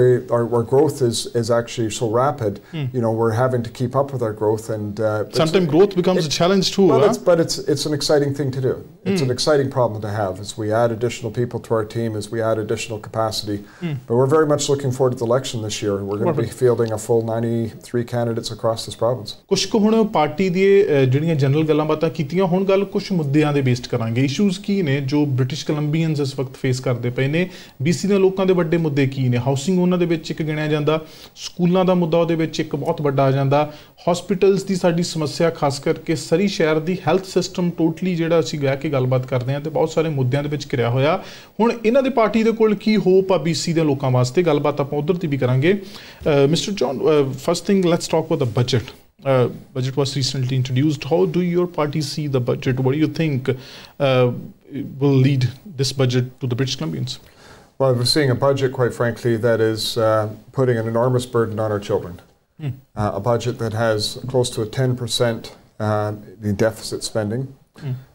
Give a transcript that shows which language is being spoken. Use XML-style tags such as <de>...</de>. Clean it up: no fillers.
<en>Our growth is actually so rapid. Mm. You know, we're having to keep up with our growth. And sometimes growth becomes a challenge too. But, huh? it's an exciting thing to do. It's an exciting problem to have as we add additional people to our team, as we add additional capacity. Mm. But we're very much looking forward to the election this year. We're going to be fielding a full 93 candidates across this province.</en> <pa>ਕੁਸ਼ਕ ਹੁਣ party ਦੀ ਜਿਹੜੀਆਂ general ਗੱਲਾਂ ਬਾਤਾਂ ਕੀਤੀਆਂ ਹੁਣ ਗੱਲ ਕੁਝ ਮੁੱਦਿਆਂ ਦੇ ਬੇਸਡ ਕਰਾਂਗੇ ਇਸ਼ੂਜ਼ ਕੀ ਨੇ ਜੋ ਬ੍ਰਿਟਿਸ਼ ਕੋਲੰਬੀਅਨਸ ਇਸ ਵਕਤ ਫੇਸ ਕਰਦੇ ਪਏ ਨੇ ਬੀਸੀ ਦੇ ਲੋਕਾਂ ਦੇ ਵੱਡੇ ਮੁੱਦੇ ਕੀ ਨੇ ਹਾਊਸਿੰਗ ਉਹਨਾਂ ਦੇ ਵਿੱਚ ਇੱਕ ਗਿਣਿਆ ਜਾਂਦਾ ਸਕੂਲਾਂ ਦਾ ਮੁੱਦਾ ਉਹਦੇ ਵਿੱਚ ਇੱਕ ਬਹੁਤ ਵੱਡਾ ਆ ਜਾਂਦਾ ਹਸਪੀਟਲਸ ਦੀ ਸਾਡੀ ਸਮੱਸਿਆ ਖਾਸ ਕਰਕੇ ਸਰੀ ਸ਼ਹਿਰ ਦੀ ਹੈਲਥ ਸਿਸਟਮ ਟੋਟਲੀ ਜਿਹੜਾ ਅਸੀਂ ਬਹਿ ਕੇ ਗੱਲਬਾਤ ਕਰਦੇ ਹਾਂ ਤੇ ਬਹੁਤ ਸਾਰੇ ਮੁੱਦਿਆਂ ਦੇ ਵਿੱਚ ਘਿਰਿਆ ਹੋਇਆ ਹੁਣ ਇਹਨਾਂ ਦੇ ਪਾਰਟੀ ਦੇ ਕੋਲ ਕੀ ਹੋਪ ਆ ਬੀਸੀ ਦੇ ਲੋਕਾਂ ਵਾਸਤੇ ਗੱਲਬਾਤ ਆਪਾਂ ਉਧਰ ਤੇ ਵੀ ਕਰਾਂਗੇ mister John first thing let's talk about the budget budget was recently introduced.</pa> <en>How do your party see the budget? What do you think will lead this budget to the British Columbians? Well, we're seeing a budget, quite frankly, that is putting an enormous burden on our children. Mm. A budget that has close to a 10% in deficit spending. Mm.</en>